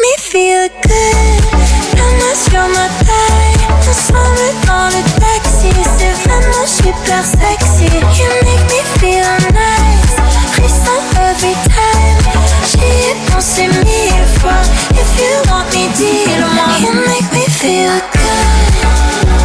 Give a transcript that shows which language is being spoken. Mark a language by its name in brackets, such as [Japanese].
[English] Feel good, [French] la main sur ma taille. On se met dans le taxi, c'est vraiment super sexy. [English] You make me feel nice, frissant every time. [French] J'y ai pensé mille fois, [English] if you want me, [French] dis-moi. [English] You make me feel good.